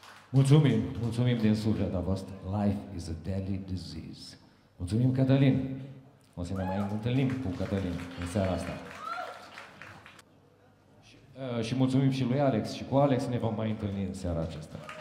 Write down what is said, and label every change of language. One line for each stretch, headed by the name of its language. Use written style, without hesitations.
Romanian: Mulțumim, mulțumim din suflet a voastră.
English: Life is a deadly disease.
Romanian: Mulțumim, Cătălin. O să ne mai întâlnim cu Cătălin în seara asta. Și mulțumim și lui Alex. Și cu Alex ne vom mai întâlni în seara aceasta.